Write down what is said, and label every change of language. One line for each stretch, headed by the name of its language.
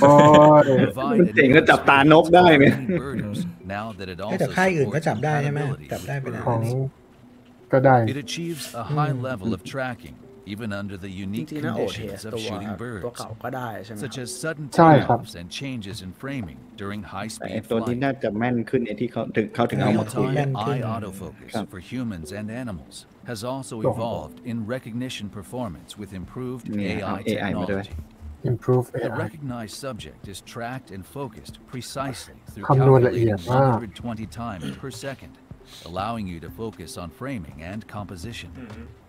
English: now that it also supports compatibility. It achieves a high level of tracking, even under the unique conditions of shooting birds, such as sudden turnoffs and changes in framing during high-speed flight.
Thai: ตัวนี้น่าจะแม่นขึ้นไอ้ที่เขาถึงเอามาคุยแม่นขึ้น
English: Eye autofocus for humans and animals has also evolved in recognition performance with improved AI technology. Improved AI. The recognized subject is tracked and focused precisely through calculating 120 times per second. Allowing you to focus on framing and composition.